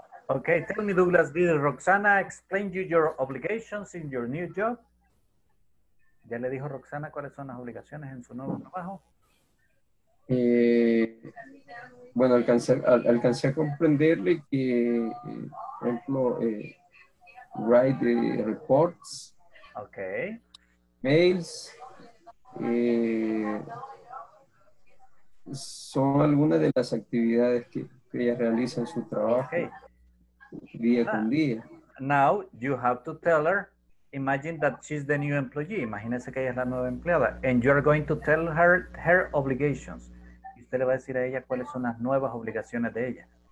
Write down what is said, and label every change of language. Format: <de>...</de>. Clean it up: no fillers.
<en>Okay, tell me, Douglas, did Roxana explain you your obligations in your new job?</en> <es>¿Ya le dijo Roxana cuáles son las obligaciones en su nuevo trabajo? Bueno, alcancé a comprenderle que, por ejemplo,</es> <en>write the reports. Okay. Mails.</en> <es>Son algunas de las actividades que ella realiza en su trabajo. Okay. Día con día.</es> <en>Now you have to tell her, imagine that she's the new employee.</en> <es>Imagínese que ella es la nueva empleada.</es> <en>And you are going to tell her obligations.</en> <es>Y usted le va a decir a ella cuáles son las nuevas obligaciones de ella.</es>